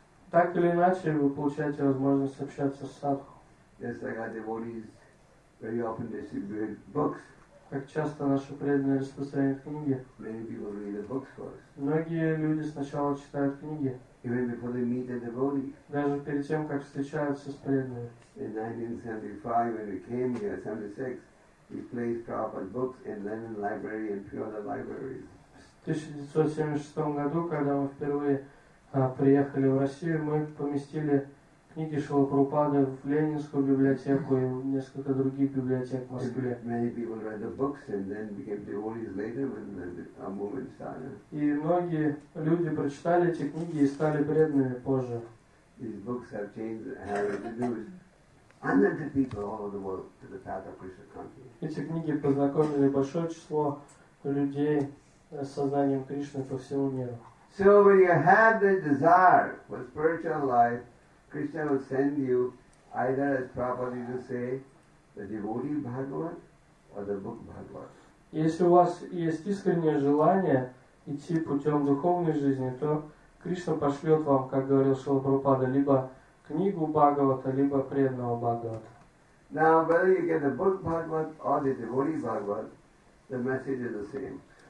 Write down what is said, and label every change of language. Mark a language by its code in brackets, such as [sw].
[ru] Так или иначе, вы получаете возможность общаться с садху. [en] Very often distribute books. [ru] Как часто наши преданные распространяют книги. [en] Many people read the books first. [ru] Многие люди сначала читают книги. [en] Even before they meet the devotee. [ru] Даже перед тем, как встречаются с преданными. [en] In 1975, when we came here, 76, we placed Prabhupada's books in Lenin Library and few other libraries. [ru] В 1976 году, когда мы впервые приехали в Россию, мы поместили книги Шрилы Прабхупады в Ленинскую библиотеку и в несколько других библиотек в Москве. [en] Many people read the books and then became devotees later when our movement started. [ru] И многие люди прочитали эти книги и стали преданными позже. [en] These books have changed how it is. Hundreds of people all over the world to the path of Krishna consciousness. [ru] Эти книги познакомили большое число людей с сознанием Кришны по всему миру. [en] So when you have the desire for spiritual life, Krishna will send you either, as Prabhupada used to say, the devotee Bhagavat or the book Bhagavat. [ru] Если у вас есть искреннее желание идти путем духовной жизни, то Кришна пошлет вам, как говорил Шрила Прабхупада, либо книгу Бхагавата, либо преданного Бхагавата. [en] Now, whether you get the book Bhagavat or the devotee Bhagavat, the message is the same.